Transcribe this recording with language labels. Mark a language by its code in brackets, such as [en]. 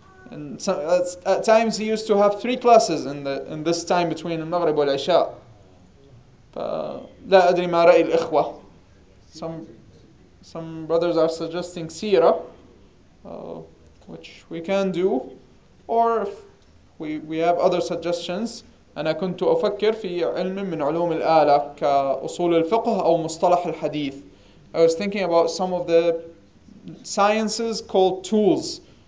[en] And so at times he used to have three classes in this time between المغرب والعشاء. [ar] لا أدري ما رأي الإخوة. [en] Some brothers are suggesting سيرة, which we can do, or if we have other suggestions. [ar] أنا كنت أفكر في علم من علوم الآلة كأصول الفقه أو مصطلح الحديث. [en] I was thinking about some of the sciences called tools.